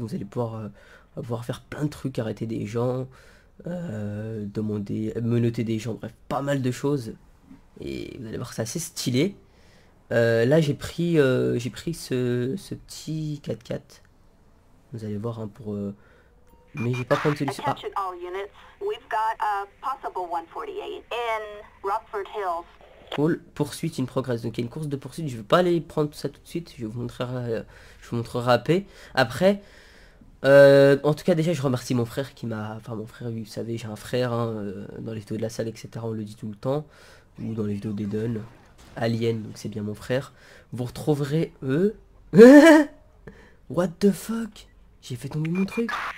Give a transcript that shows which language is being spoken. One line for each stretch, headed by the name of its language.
French: Vous allez pouvoir faire plein de trucs, arrêter des gens, demander, menotter des gens, bref, pas mal de choses. Et vous allez voir, c'est assez stylé. Là, j'ai pris ce petit 4x4. Vous allez voir, hein, pour. Mais j'ai pas pris celui-ci. Ah.
English: Attention all units, we've got a possible 148 in Rockford Hills.
French: Cool. Poursuite, une progresse. Donc il y a une course de poursuite. Je vais pas aller prendre tout ça tout de suite. Je vous montrerai après. Après. En tout cas, déjà, je remercie mon frère qui m'a. Enfin, mon frère, vous savez, j'ai un frère, hein, dans les taux de la salle, etc. On le dit tout le temps. Ou dans les vidéos d'Eden Alien, donc c'est bien mon frère. Vous retrouverez eux.
English: What the fuck?
French: J'ai fait tomber mon truc.